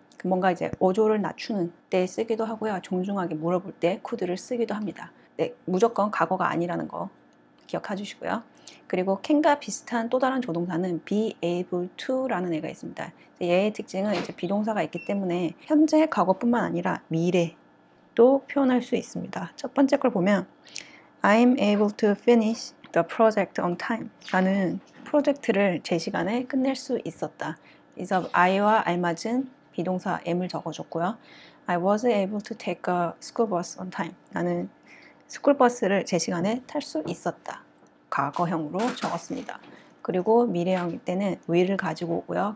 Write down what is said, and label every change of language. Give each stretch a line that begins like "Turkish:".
Korean: 뭔가 이제 어조를 낮추는 때 쓰기도 하고요. 정중하게 물어볼 때 could를 쓰기도 합니다. 네, 무조건 과거가 아니라는 거 기억해 주시고요. 그리고 can과 비슷한 또 다른 조동사는 be able to라는 애가 있습니다. 얘의 특징은 이제 비동사가 있기 때문에 현재 과거뿐만 아니라 미래도 표현할 수 있습니다.
English: 첫 번째 걸 보면 I'm able to finish The project on time.
Korean: 나는 프로젝트를 제 시간에 끝낼 수 있었다. 그래서 I와 알맞은 비동사 am을 적어줬고요.
English: I was able to take a school bus on time.
Korean: 나는 스쿨버스를 제 시간에 탈수 있었다. 과거형으로 적었습니다. 그리고 미래형일 때는 will을 가지고 오고요.